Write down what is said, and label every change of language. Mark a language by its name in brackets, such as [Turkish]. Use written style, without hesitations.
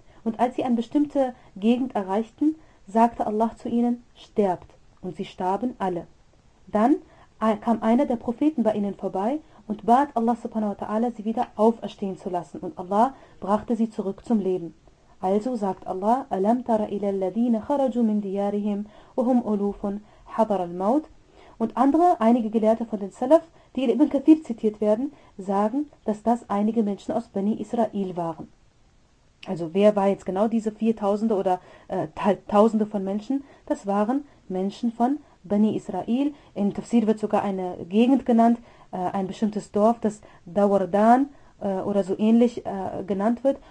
[German] Und als sie eine bestimmte Gegend erreichten, sagte Allah zu ihnen, sterbt, und sie starben alle. Dann kam einer der Propheten bei ihnen vorbei und bat Allah subhanahu wa ta'ala, sie wieder auferstehen zu lassen. Und Allah brachte sie zurück zum Leben. Also sagt Allah, [Arabic] أَلَمْ تَرَ إِلَى الَّذِينَ خَرَجُوا مِنْ دِيَارِهِمْ وَهُمْ أُلُوفٌ حَضَرَ الْمَوْتِ. [German] Und andere, einige Gelehrte von den Salaf, die in Ibn Kathir zitiert werden, sagen, dass das einige Menschen aus Bani Israel waren. Also wer war jetzt genau diese Viertausende oder Tausende von Menschen? Das waren Menschen von Bani Israel. In Tafsir wird sogar eine Gegend genannt, ein bestimmtes Dorf, das Dawardan oder so ähnlich genannt wird.